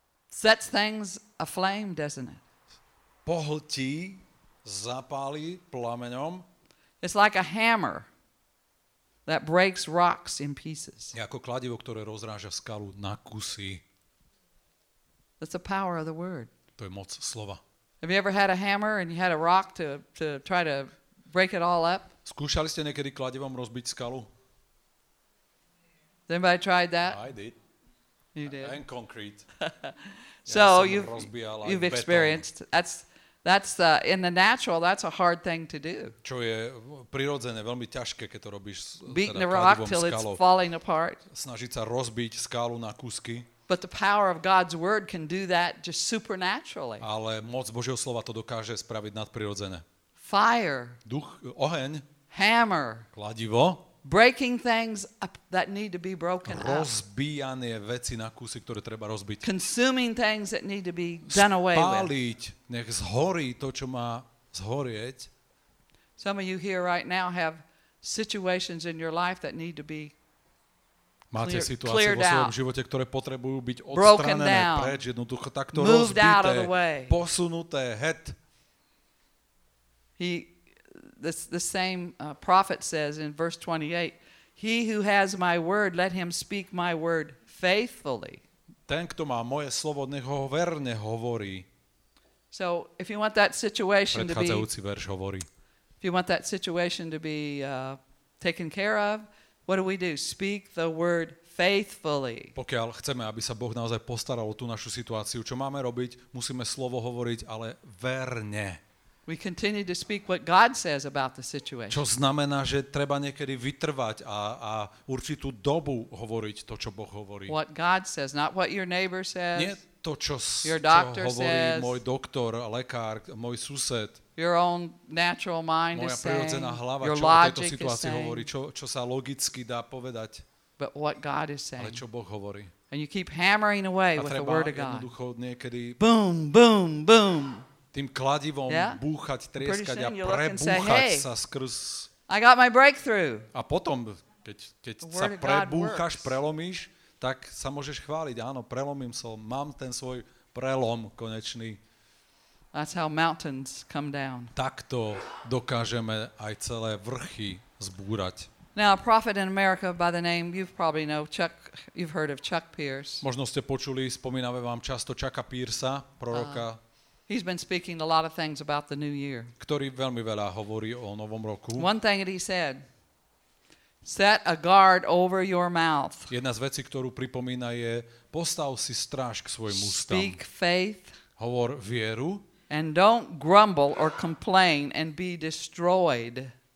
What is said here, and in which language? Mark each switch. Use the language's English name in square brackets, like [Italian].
[English] Sets things aflame, doesn't it? [Slovak] Pohltí, zapálí plameňom. [English] It's like a hammer that breaks rocks in pieces. [Slovak] Je ako kladivo, ktoré rozráža skalu na kusy. [English] That's the power of the word. [Slovak] To je moc slova. [English] Have you ever had a hammer and you had a rock to try to break it all up? [Slovak] Skúšali ste niekedy kladivom rozbiť skalu? [English] Has anybody tried that? I did. You did. And concrete. So you've experienced that's in the natural, that's a hard thing to do. [Slovak] Čo je prirodzené, veľmi ťažké, keď to robíš [English] beating a rock till it's falling apart. [Slovak] Snažiť sa rozbiť skalu na kúsky. [English] But the power of God's word can do that just supernaturally. [Slovak] Ale moc Božieho slova to dokáže spraviť nadprirodzené. [English] Fire. [Slovak] Duch, oheň. [English] Hammer. [Slovak] Kladivo. [English] Breaking things up that need to be broken up. [Slovak] Rozbijanie veci na kusy, ktoré treba rozbiť. [English] Consuming things that need to be done away with. [Slovak] Spáliť, nech zhorí to, čo má zhorieť. [English] Some of you here right now have situations in your life that need to be [Slovak] Máte situácie vo svojom živote, ktoré potrebujú byť odstranené preč, jednoducho takto rozbité, posunuté, het. [English] The same prophet says in verse 28, He who has my word, let him speak my word faithfully. [Slovak] Ten, kto má moje slovo, nech ho verne hovorí. [English] So, if you want that situation to be... [Slovak] Predchádzajúci verš hovorí. [English] If you want that situation to be taken care of, What do we do? Speak the word faithfully. [Slovak] Pokiaľ chceme, aby sa Boh naozaj postaral o tú našu situáciu, čo máme robiť? Musíme slovo hovoriť, ale verne. [English] We continue to speak what God says about the situation. [Slovak] Čo znamená, že treba niekedy vytrvať a určitú dobu hovoriť to, čo Boh hovorí. [English] What God says, not what your neighbor says. [Slovak] Nie to, čo hovorí môj doktor, lekár, môj sused. [English] Your own natural mind [Slovak] Moja [English] is saying. [Slovak] Moja prirodzená hlava, čo o tejto situácii hovorí, čo sa logicky dá povedať. [English] But what God is saying. [Slovak] Ale čo Boh hovorí. [English] And you keep hammering away with the word of God. [Slovak] A treba jednoducho niekedy [English] boom, boom, boom. [Slovak] Tým kladivom [English] yeah? [Slovak] búchať, trieskať a prebúchať sa skrz. [English] I got my breakthrough. [Slovak] A potom, keď sa prebúchaš, prelomíš, tak sa môžeš chváliť. Áno, prelomím sa, mám ten svoj prelom konečný. [English] That's how mountains come down. [Slovak] Takto dokážeme aj celé vrchy zbúrať. [English] Now a prophet in America by the name you've probably know Chuck you've heard of Chuck Pierce. [Slovak] Možno ste počuli, spomíname vám často Chucka Piercea, proroka. [English] He's been speaking a lot of things about the new year. [Slovak] Ktorý veľmi veľa hovorí o novom roku. [English] One thing that he said. Set a guard over your mouth. [Slovak] Jedna z vecí, ktorú pripomína je postav si stráž k svojim ústam. [English] Speak faith. [Slovak] Hovor vieru. [English] And don't grumble or complain and be destroyed.